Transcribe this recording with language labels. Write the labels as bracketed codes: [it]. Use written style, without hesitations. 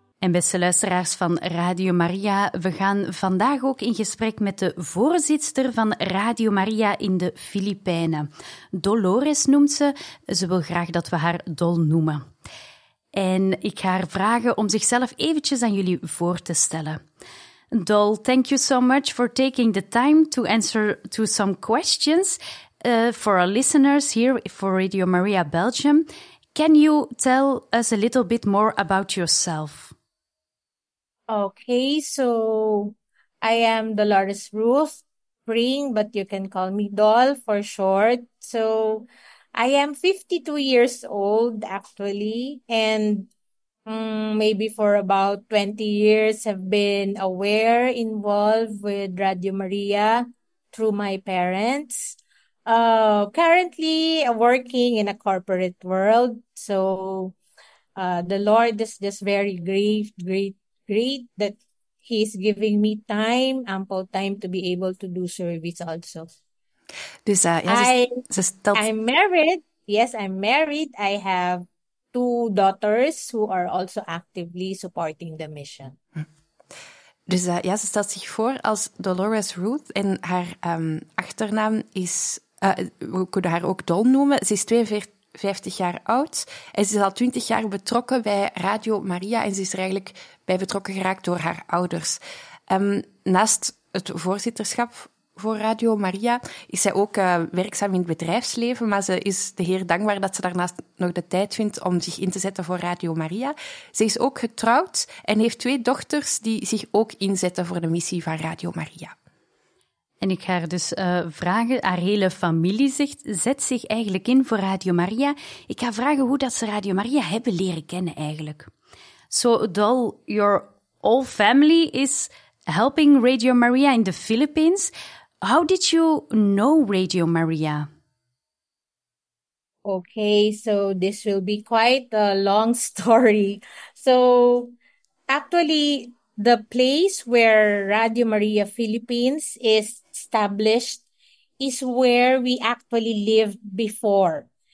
[nl] Beste luisteraars van Radio Maria, we gaan vandaag ook in gesprek met de voorzitter van Radio Maria in de Filipijnen. Dolores noemt ze. Ze wil graag dat we haar Dol noemen. En ik ga haar vragen om zichzelf eventjes aan jullie voor te stellen. [en] Dol, thank you so much for taking the time to answer to some questions for our listeners here for Radio Maria Belgium. Can you tell us a little bit more about yourself? Okay, so I am Dolores Ruth Pring, but you can call me Dol for short. So I am 52 years old, actually, and maybe for about 20 years have been aware, involved with Radio Maria through my parents. Currently working in a corporate world, so the Lord is just very great that he's giving me time, ample time to be able to do service also. I'm married. Yes, I'm married. I have two daughters who are also actively supporting the mission. [nl] Dus ja, ze stelt zich voor als Dolores Ruth en haar achternaam is, we kunnen haar ook Dol noemen, ze is 52 jaar oud en ze is al 20 jaar betrokken bij Radio Maria en ze is er eigenlijk bij betrokken geraakt door haar ouders. Naast het voorzitterschap voor Radio Maria. Is zij ook werkzaam in het bedrijfsleven, maar ze is de Heer dankbaar dat ze daarnaast nog de tijd vindt om zich in te zetten voor Radio Maria. Ze is ook getrouwd en heeft twee dochters die zich ook inzetten voor de missie van Radio Maria. En ik ga haar dus vragen, haar hele familie zet zich eigenlijk in voor Radio Maria. Ik ga vragen hoe dat ze Radio Maria hebben leren kennen eigenlijk. [en] So, Dol, your whole family is helping Radio Maria in the Philippines. How did you know Radio Maria? Okay, so this will be quite a long story. So, actually, the place where Radio Maria Philippines is established is where we actually lived before.